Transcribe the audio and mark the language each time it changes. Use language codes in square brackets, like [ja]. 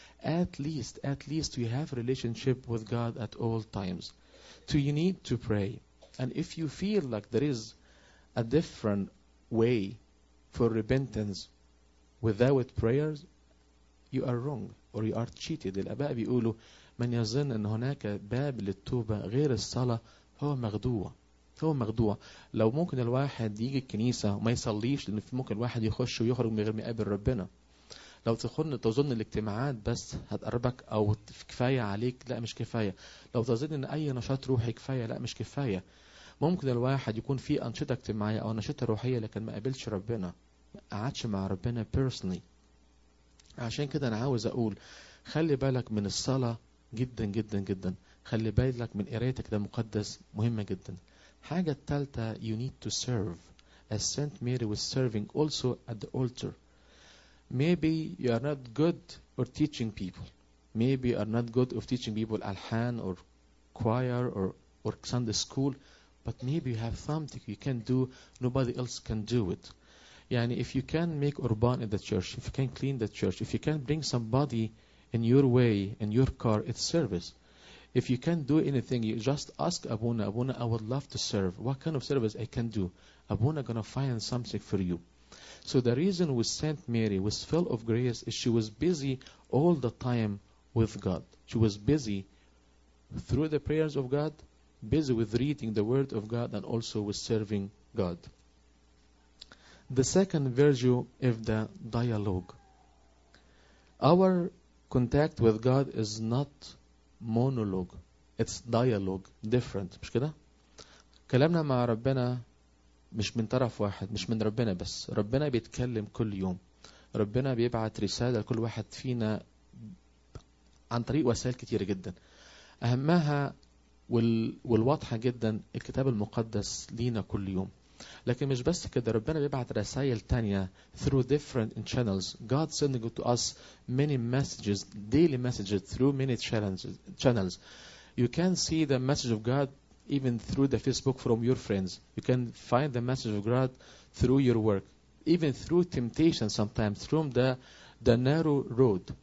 [en] At least we have a relationship with God at all times. So you need to pray. And if you feel like there is a different way for repentance without prayers, you are wrong or you are cheated. [ar] الأباء بيقولوا من يظن أن هناك باب للتوبة غير الصلاة هو مغدوة. هو مغدوة. لو ممكن الواحد يجي الكنيسة وما يصليش, لأن ممكن الواحد يخش ويخرج من غير ما يقابل ربنا. لو تظن الاجتماعات بس هتقربك أو كفاية عليك, لا مش كفاية. لو تظن أن أي نشاط روحي كفاية, لا مش كفاية. ممكن الواحد يكون في أنشطة اجتماعية أو أنشطة روحية لكن ما قابلش ربنا, قعدش مع ربنا [en] personally. [ar] عشان كده أنا عاوز أقول خلي بالك من الصلاة جدا جدا جدا, خلي بالك من قراءة الكتاب المقدس مهمة جدا. حاجة التالتة, [en] you need to serve as Saint Mary was serving also at the altar. Maybe you are not good at teaching people. Maybe you are not good at teaching people alhan or choir or Sunday school. But maybe you have something you can do, nobody else can do it. Yani if you can make urban in the church, if you can clean the church, if you can bring somebody in your way, in your car, it's service. If you can do anything, you just ask Abuna, Abuna, I would love to serve. What kind of service I can do? Abuna gonna find something for you. So the reason with Saint Mary was full of grace is she was busy all the time with God. She was busy through the prayers of God, busy with reading the Word of God, and also with serving God. The second virtue is the dialogue. Our contact with God is not monologue. It's dialogue, different. [ar] مش كده؟ كلامنا مع ربنا مش من طرف واحد, مش من ربنا بس. ربنا بيتكلم كل يوم, ربنا بيبعت رسالة لكل واحد فينا عن طريق وسائل كتير جدا. أهمها والواضحة جدا الكتاب المقدس لينا كل يوم. لكن مش بس كده, ربنا بيبعت رسائل تانية [en] through different channels. God sending to us many messages, daily messages through many channels. You can see the message of God even through the Facebook from your friends. You can find the message of God through your work, even through temptation sometimes, through the narrow road.